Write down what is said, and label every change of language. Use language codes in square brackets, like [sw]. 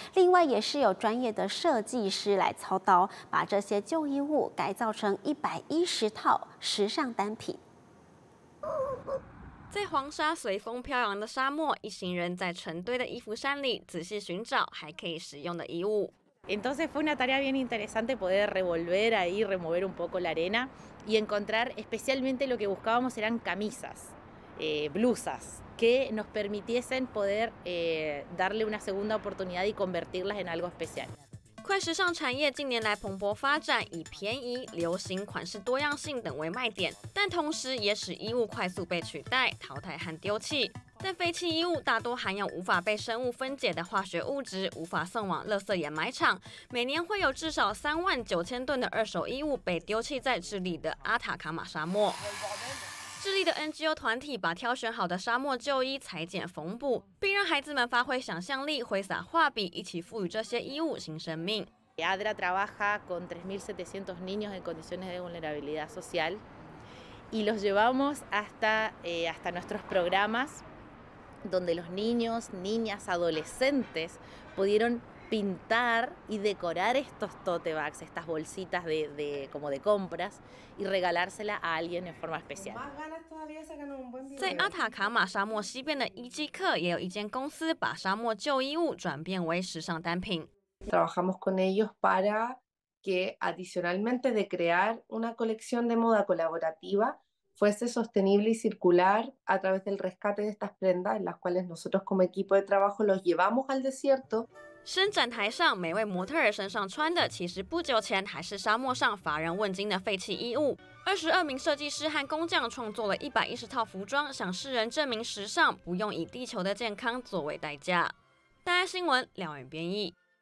[zh] 另外，也是有专业的设计师来操刀，把这些旧衣物改造成110套时尚单品。在黄沙随风飘扬的沙漠，一行人在成堆的衣服山里仔细寻找还可以使用的衣物。 [es] Entonces fue una tarea bien interesante poder revolver ahí, remover un poco la arena y encontrar especialmente lo que buscábamos eran camisas, blusas que nos permitiesen poder darle una segunda oportunidad y convertirlas en algo especial. [zh] 快时尚产业近年来蓬勃发展，以便宜、流行、款式多样性等为卖点，但同时也使衣物快速被取代、淘汰和丢弃。但废弃衣物大多含有无法被生物分解的化学物质，无法送往垃圾掩埋场。每年会有至少39000吨的二手衣物被丢弃在智利的阿塔卡马沙漠。智利的 NGO 团体把挑选好的沙漠旧衣裁剪缝补，并让孩子们发挥想象力，挥洒画笔，一起赋予这些衣物新生命。 [es] ADRA trabaja con 3700 niños en condiciones de vulnerabilidad social y los llevamos hasta nuestros programas donde los niños, niñas, adolescentes pudieron pintar y decorar estos tote bags, estas bolsitas de como de compras y regalársela a alguien en forma especial. [zh] 在阿塔卡马沙漠西边的伊基克，也有一间公司把沙漠旧衣物转变为时尚单品。 [es] Trabajamos con ellos para que adicionalmente de crear una colección de moda colaborativa fuese sostenible y circular a través del rescate de estas prendas, en las cuales nosotros como equipo de trabajo los llevamos al desierto. [zh] 伸展台上每位模特儿身上穿的，其实不久前还是沙漠上乏人问津的废弃衣物。 22名设计师和工匠创作了110套服装，向世人证明时尚不用以地球的健康作为代价。大爱新闻廖远编译。